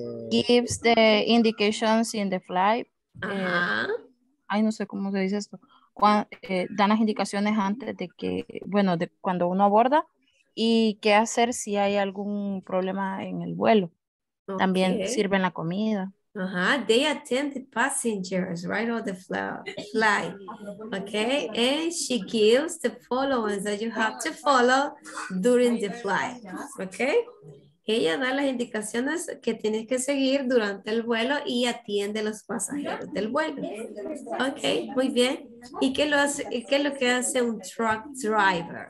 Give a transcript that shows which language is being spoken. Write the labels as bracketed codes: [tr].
[en] Gives the indications in the flight. Ay, [es] no sé cómo se dice esto. Dan las indicaciones antes de que, bueno, de cuando uno aborda y qué hacer si hay algún problema en el vuelo. Okay. También sirven la comida. [en] They attend the passengers, right, or the flight. Okay, and she gives the following that you have to follow during the flight. [es] Okay, ella da las indicaciones que tienes que seguir durante el vuelo y atiende a los pasajeros del vuelo. Ok, muy bien. ¿Y qué es lo que hace un truck driver?